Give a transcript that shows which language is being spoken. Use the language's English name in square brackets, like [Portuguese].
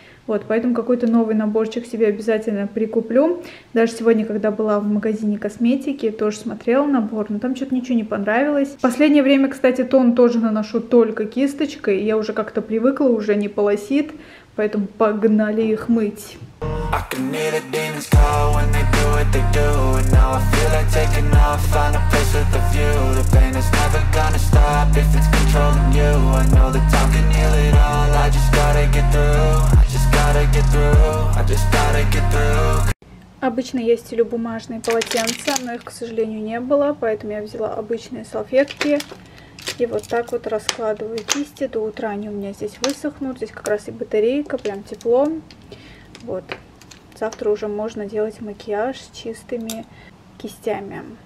[Russian] Вот, поэтому какой-то новый наборчик себе обязательно прикуплю. Даже сегодня, когда была в магазине косметики, тоже смотрела набор, но там что-то ничего не понравилось. В последнее время, кстати, тон тоже наношу только кисточкой. Я уже как-то привыкла, уже не полосит, поэтому погнали их мыть. [English] I can hear the demons call when they do what they do. And now I feel like taking off, find a place with a view. The pain is never gonna stop if it's controlling you. I know the time can heal it all, I just gotta get through. I just gotta get through, I just gotta get through. [Russian] Обычно я стелю бумажные полотенца, но их, к сожалению, не было, поэтому я взяла обычные салфетки. И вот так вот раскладываю кисти, до утра они у меня здесь высохнут. Здесь как раз и батарейка, прям тепло. Вот, завтра уже можно делать макияж с чистыми кистями.